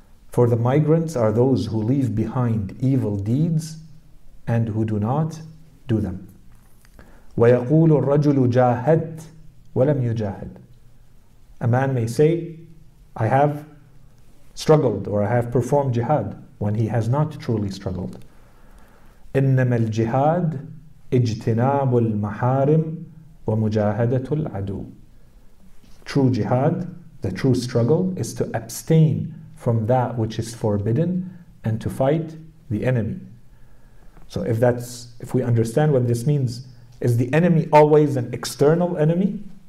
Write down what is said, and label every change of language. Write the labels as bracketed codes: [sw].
[en] For the migrants are those who leave behind evil deeds and who do not do them. [ar] وَيَقُولُ الرَّجُلُ جَاهَدْتْ وَلَمْ يُجَاهَدْ. [en] A man may say, I have struggled or I have performed jihad, when he has not truly struggled. [ar] إِنَّمَا الْجِهَادِ اجتناب المحارم ومجاهدة العدو. [en] True jihad, the true struggle, is to abstain from that which is forbidden and to fight the enemy. So if we understand what this means, is the enemy always an external enemy?